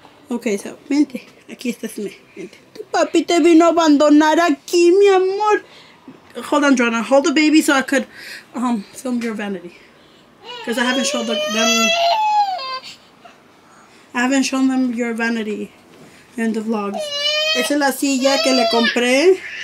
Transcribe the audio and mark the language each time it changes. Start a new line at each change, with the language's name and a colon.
Spanish: Okay, so vente, aquí estás, vente. Tu papi te vino a abandonar aquí, mi amor.
English: Hold on, Joanna. Hold the baby so I could film your vanity. Because I haven't showed them. I haven't shown them your vanity in the vlogs.
Spanish: Esa es la silla que le compré.